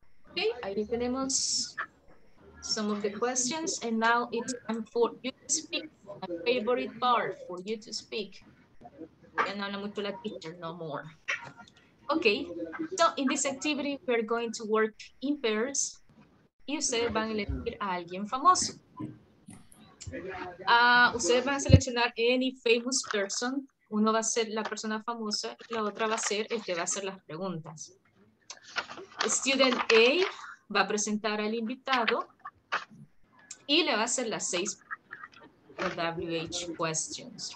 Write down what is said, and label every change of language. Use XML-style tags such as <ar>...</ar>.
<en>Okay,</en> <es>ahí tenemos</es> <en>some of the questions, and now it's time for you to speak. My favorite part for you to speak.</en> <es>Ya no habla mucho la teacher,</es> <en>no more. Okay, so in this activity, we're going to work in pairs.</en> <es>Y ustedes van a elegir a alguien famoso. Ustedes van a seleccionar</es> <en>any famous person.</en> <es>Uno va a ser la persona famosa y la otra va a ser el que va a hacer las preguntas. Student A va a presentar al invitado y le va a hacer las 6 WH questions.</es>